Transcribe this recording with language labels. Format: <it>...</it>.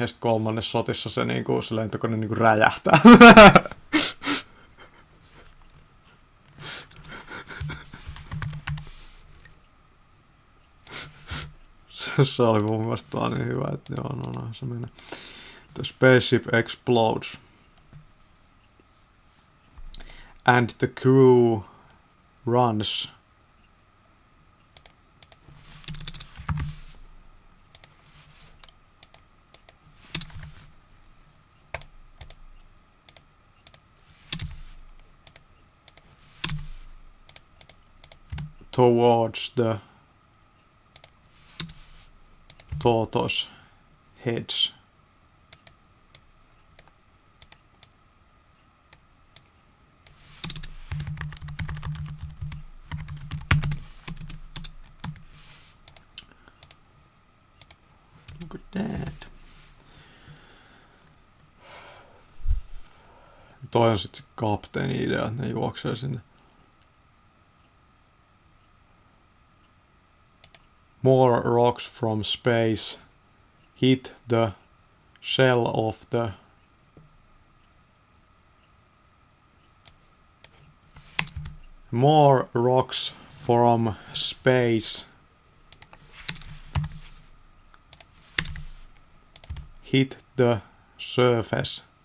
<fi>Ja sitten kolmannes shotissa se lentokone niinku räjähtää. Se oli mun mielestä vaan niin hyvä, että joo, no se menee.</fi> <en>The spaceship explodes. And the crew runs towards the tortoise heads.</en> <fi>Toi on sitten se kapteeni idea, että ne juoksee sinne.</fi> <en>More rocks from space hit the shell of the More rocks from space hit the surface.</en>